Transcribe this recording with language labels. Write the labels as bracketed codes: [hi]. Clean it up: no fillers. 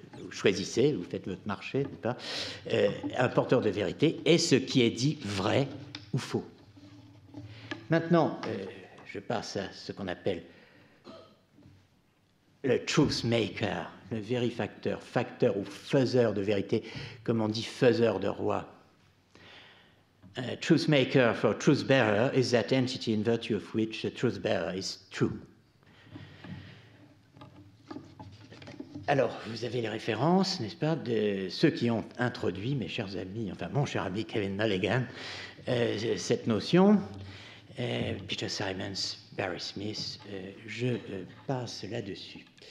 [fr] Choisissez, vous faites votre marché, n'est-ce pas ? Un porteur de vérité est ce qui est dit vrai ou faux. Maintenant, je passe à ce qu'on appelle le truth maker, le vérifacteur, facteur ou faiseur de vérité, comme on dit faiseur de roi. [en] Truth maker for truth bearer is that entity in virtue of which the truth bearer is true. [fr] Alors, vous avez les références, n'est-ce pas, de ceux qui ont introduit, mes chers amis, enfin mon cher ami Kevin Mulligan, cette notion, Peter Simons, Barry Smith, passe là-dessus.